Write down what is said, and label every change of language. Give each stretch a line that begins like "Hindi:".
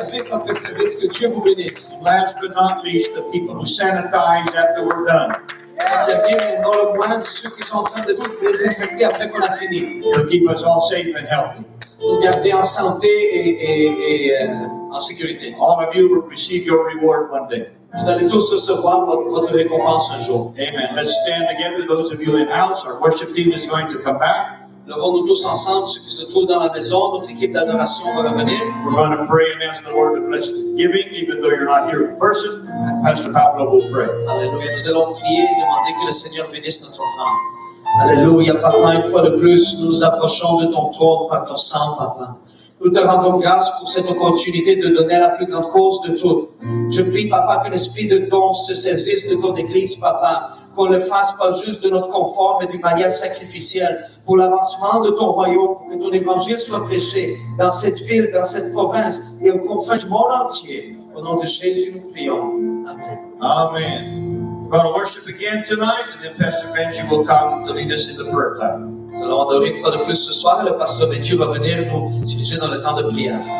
English: Last but not least, the people who sanitize after we're done. To keep us all safe and healthy. All of you will receive your reward one day.
French: Vous allez tous recevoir votre récompense un jour.
English: Amen. Let's stand together, those of you in house. Our worship team is going to come back.
French: Levons-nous tous ensemble, ceux qui se trouvent dans la maison, notre équipe d'adoration va revenir.
English: We're going to pray and ask the Lord to bless giving, even though you're not here in person. Pastor Pablo will pray.
French: Alléluia. Nous allons prier et demander que le Seigneur bénisse notre offrande. Alléluia. Papa, une fois de plus, nous nous approchons de ton trône par ton sang, Papa. Nous te rendons grâce pour cette opportunité de donner la plus grande cause de toutes. Je prie, Papa, que l'Esprit de ton se saisisse de ton Église, Papa, qu'on le fasse pas juste de notre confort, mais d'une manière sacrificielle, pour l'avancement de ton royaume, pour que ton Évangile soit prêché dans cette ville, dans cette province et aux confins du monde entier. Au nom de Jésus, nous prions. Amen. Amen.
English: We're going to worship again tonight, and then Pastor Benji will come to lead us in the prayer time.
French: Nous allons adorer une fois de plus ce soir, et le pasteur Mathieu va venir nous diriger dans le temps de prière.